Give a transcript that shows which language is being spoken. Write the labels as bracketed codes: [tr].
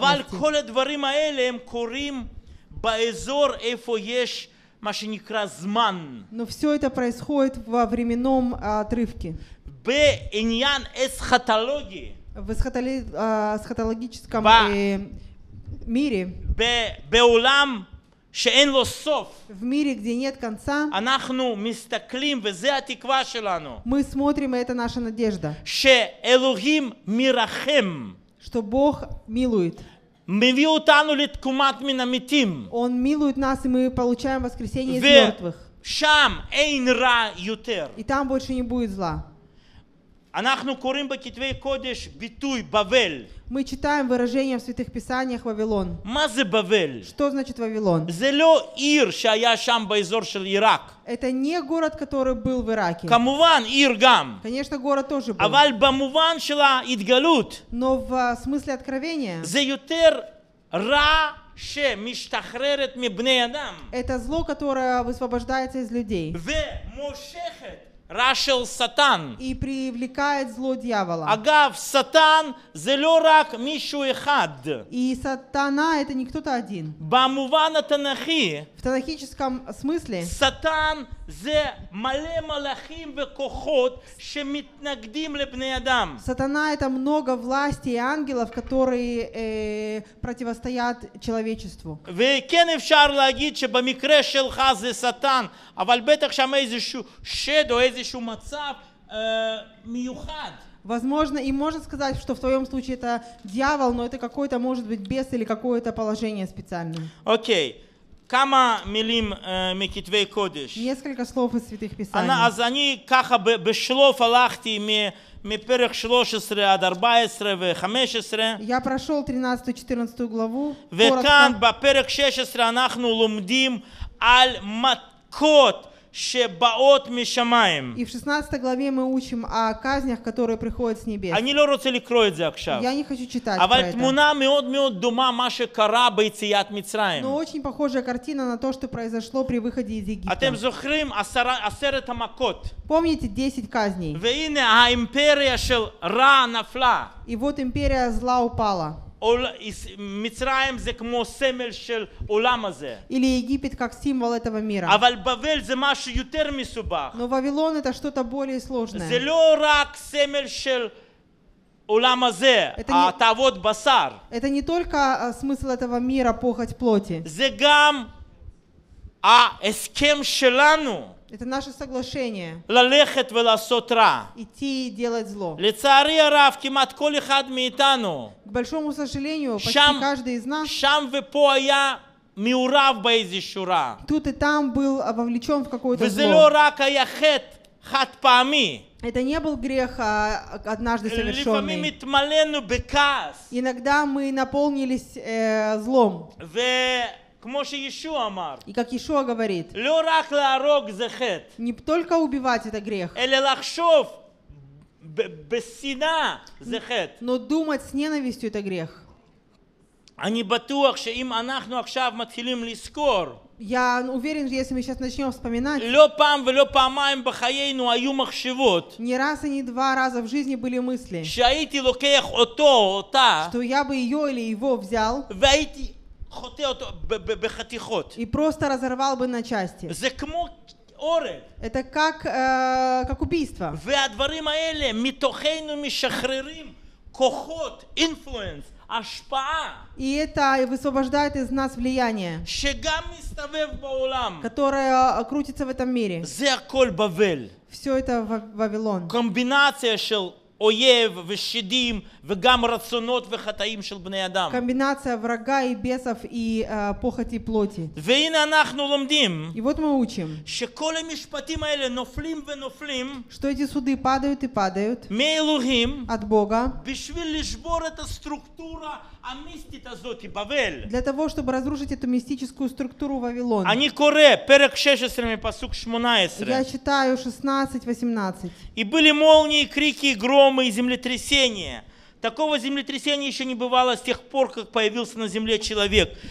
[he] אבל כל הדברים האלה הם קורים באזור איפה יש מה שנקרא זמן. [ru] Но все это происходит во временном отрывке. [he] בעניין אסכתולוגי. אסכתולוגיצ'קם מירי. בעולם שאין לו סוף. [ru] В мире, где нет конца. [he] אנחנו מסתכלים, וזה התקווה שלנו. [ru] Мы смотрим, и это наша надежда. [he] שאלוהים מרחם. [ru] Что Бог милует. [he] מביא אותנו לתקומת מן המתים. [ru] Он милует нас, и мы получаем воскресение из мертвых. [he] ושם אין רע יותר. [ru] И там больше не будет зла. [he] אנחנו קוראים בכתבי קודש ביטוי בבל. [ru] Мы читаем выражение в святых писаниях Вавилон. [he] מה זה בבל? [ru] Что значит Вавилон? [he] זה לא עיר שהיה שם באזור של עיראק. [ru] Это не город, который был в Ираке. [he] כמובן, עיר גם. [ru] Конечно, город тоже был. [he] אבל במובן של ההתגלות. [ru] Но в смысле откровения. [he] זה יותר רע שמשתחררת מבני אדם. [ru] Это зло, которое высвобождается из людей. [he] ומושכת. Рашел Сатан. [ru] И привлекает зло дьявола. [he] Агав, Сатан, זה לא רק מישהו אחד. [ru] И сатана это не кто-то один. [he] במובן התנכי, [ru] в танахическом смысле. [he] Сатан זה מלא מלאכים וכוחות שמתנגדים לבני אדם. [ru] Сатана это много власти и ангелов, которые противостоят человечеству. [he] וכן אפשר להגיד שבמקרה שלך זה סטן, אבל בטח שם איזשהו שד או איזשהו מצב מיוחד. [ru] Возможно, и можно сказать, что в твоем случае это дьявол, но это какой-то может быть бес или какое-то положение специальное. [he] Окей. כמה מילים מכתבי קודש. [ru] Несколько слов из святых писаний. [he] אז אני ככה בשלוף הלכתי מפרק 13 עד 14 ו-15. [ru] Я прошел 13-14 главу. [he] וכאן בפרק 16 אנחנו לומדים על מכות שבאות משמיים. [ru] И в 16 главе мы учим о казнях, которые приходят с небес. [he] אני לא רוצה לקרוא את זה עכשיו. [ru] Я не хочу читать. [he] אבל תמונה מאוד מאוד דומה מה שקרה ביציאת מצרים. [ru] Но очень похожая картина на то, что произошло при выходе из Египта. [he] אתם זוכרים עשרת המכות. [ru] Помните 10 казней. [he] והנה האימפריה של רע נפלה. [ru] И вот империя зла упала. [he] מצרים זה כמו סמל של עולם הזה. [ru] Или Египет как символ этого мира. [he] אבל בבל זה משהו יותר מסובך. [ru] Но Вавилон это что-то более сложное. [he] זה לא רק סמל של עולם הזה, תאוות בשר. [ru] Это не только смысл этого мира, похоть плоти. [he] זה גם ההסכם שלנו. [ru] Это наше соглашение. [he] ללכת ולעשות רע. [ru] Идти и делать зло. [he] לצערי הרב, כמעט כל אחד מאיתנו. [ru] К большому сожалению, почти каждый из нас. [he] Шам ופה היה מעורב באיזשהו רע. [ru] Тут и там был вовлечен в какое-то зло. [he] וזה לא רק היה חטא חד פעמי. [ru] Это не был грех, а однажды совершенный. [he] לפעמים התמלאנו בכעס. [ru] Иногда мы наполнились злом. [he] כמו שישוע אמר. [ru] И как Иешуа говорит. [he] לא רק להרוג זה חטא. [ru] Не только убивать это грех. [he] אלא לחשוב בשנאה זה חטא. [ru] Но думать с ненавистью это грех. [he] אני בטוח שאם אנחנו עכשיו מתחילים לזכור. [ru] Я уверен, если мы сейчас начнем вспоминать. [he] לא פעם ולא פעמיים בחיינו היו מחשבות. [ru] Не раз и не два раза в жизни были мысли. [he] שהייתי לוקח אותו או אותה. [ru] Что я бы ее или его взял. [he] והייתי חוטא אותו בחתיכות. [ru] И просто разорвал бы на части. [he] זה כמו אורג. [ru] Это как убийство. [he] והדברים האלה מתוכנו משחררים כוחות, influence, השפעה. [ru] И это высвобождает из нас влияние. [he] שגם מסתובב בעולם. [ru] Которое крутится в этом мире. [he] זה הכל בבל. [ru] Все это Вавилон. [he] קומבינציה של אויב ושדים וגם רצונות וחטאים של בני אדם. [ru] Комбинация врага и бесов и похоти плоти. [he] והנה אנחנו לומדים. [ru] И вот мы учим. [he] שכל המשפטים האלה נופלים ונופלים. [ru] Что эти суды падают и падают. [he] מאלוהים. [ru] От Бога. [he] בשביל לשבור את הסטרוקטורה המיסטית הזאת, בבל. [ru] Для того, чтобы разрушить эту мистическую структуру Вавилона. [he] אני קורא פרק 16 מפסוק 18. [ru] Я читаю 16-18. И были молнии, крики, громы и землетрясения. Такого землетрясения еще не бывало с тех пор, как появился на земле человек.